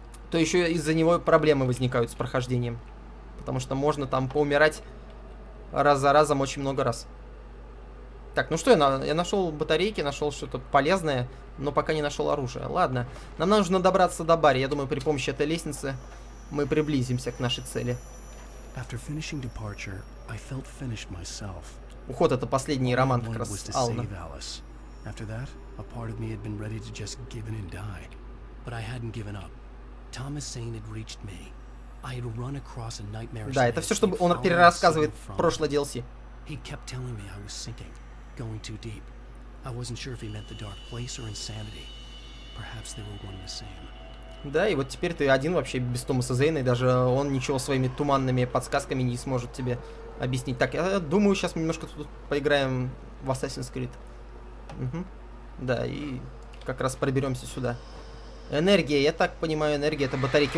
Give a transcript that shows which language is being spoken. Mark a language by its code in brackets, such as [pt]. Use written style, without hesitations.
[ru] То еще из-за него проблемы возникают с прохождением. Потому что можно там поумирать раз за разом очень много раз. Так, ну что, я нашел батарейки, нашел что-то полезное, но пока не нашел оружие. Ладно, нам нужно добраться до бара. Я думаю, при помощи этой лестницы мы приблизимся к нашей цели. [en] After finishing departure, I felt finished myself. [ru] Уход — это последний роман как раз Алана. [en] After that, a part of me had been ready to just give in and die. But I hadn't given up. Thomas Zane had reached me. I had run across a nightmare. [ru] Да, это все, что он перерассказывает прошлое DLC. [en] He kept telling me I was sinking, going too deep. I wasn't sure if he meant the dark place or insanity. Perhaps they were one and the same. [ru] Да, и вот теперь ты один вообще без Томаса Зейна, и даже он ничего своими туманными подсказками не сможет тебе объяснить. Так, я думаю, сейчас мы немножко тут поиграем в Assassin's Creed. Угу. Да, и как раз проберемся сюда. Энергия, я так понимаю, энергия — это батарейки.